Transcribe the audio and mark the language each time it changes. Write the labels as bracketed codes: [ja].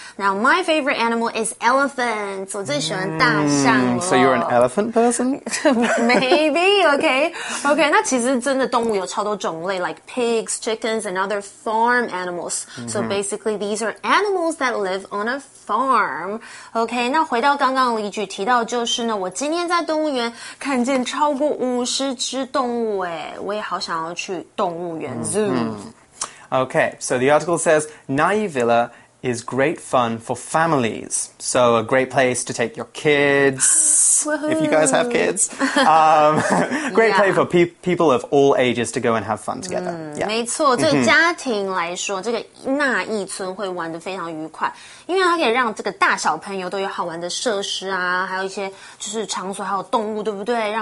[en] Now, my favorite animal is elephants. [zh] 我最喜欢大象了。 [en] So you're an elephant person? Maybe, OK. OK, [zh] 那其实真的动物有超多种类 [en] like pigs, chickens, and other farm animals. So basically, these are animals that live on a farm. [zh] OK, 那回到刚刚的例句提到就是呢，我今天在动物园看见超过50只动物耶，我也好想要去动物园 zoo. [en] OK, so the article says, Nai Villa is great fun for families. So a great place to take your kids, if you guys have kids. great place for people of all ages to go and have fun together. [zh] 没错，这个家庭来说，这个纳义村会玩得非常愉快，因为它可以让这个大小朋友都有好玩的设施啊，还有一些就是场所，还有动物，对不对？